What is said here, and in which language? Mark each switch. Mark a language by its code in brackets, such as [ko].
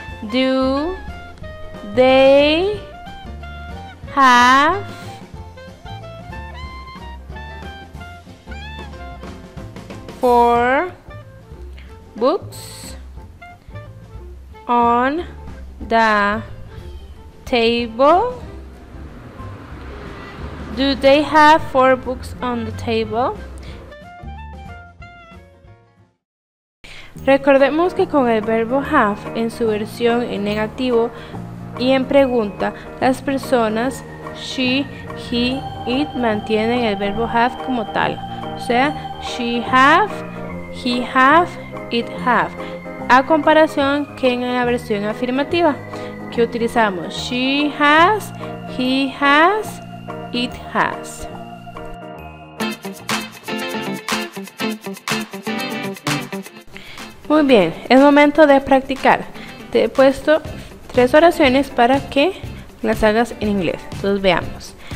[en] Do they have 4 books on the table? Do they have 4 books on the table? [es] Recordemos que con el verbo have en su versión en negativo y en pregunta, las personas she, he, it mantienen el verbo have como tal. O sea, [en] she have, he have, it have. [es] A comparación que en la versión afirmativa, que utilizamos [en] she has, he has, it has. [es] Muy bien, es momento de practicar. Te he puesto 3 oraciones para que las hagas en inglés. Entonces veamos.